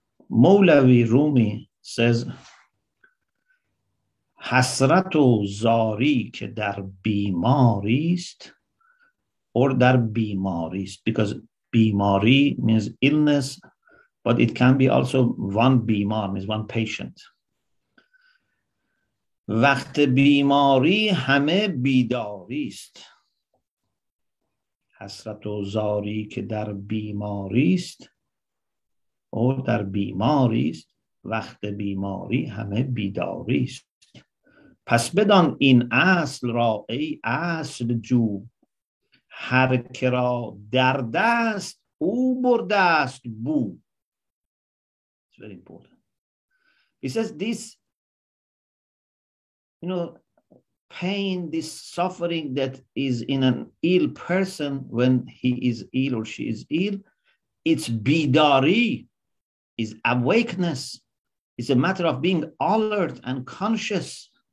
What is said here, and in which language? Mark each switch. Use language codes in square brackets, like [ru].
[en] Maulavi Rumi says, [fa] حسرت و زاری که در بیماری است [en] or [fa] در بیماری است, [en] because بیماری means illness, but it can be also one بیمار, means one patient. [fa] وقت بیماری همه بیداری است. حسرت و زاری که در بیماری است or در بیماری است, وقت بیماری همه بیداری است. پس بدان این اصل را ای اصل جو, هر کرا درد است او برده است بو. [en] It's very important. He says this, you know, pain, this suffering that is in an ill person when he is ill or she is ill, it's bidari, is awakeness, it's a matter of being alert and conscious.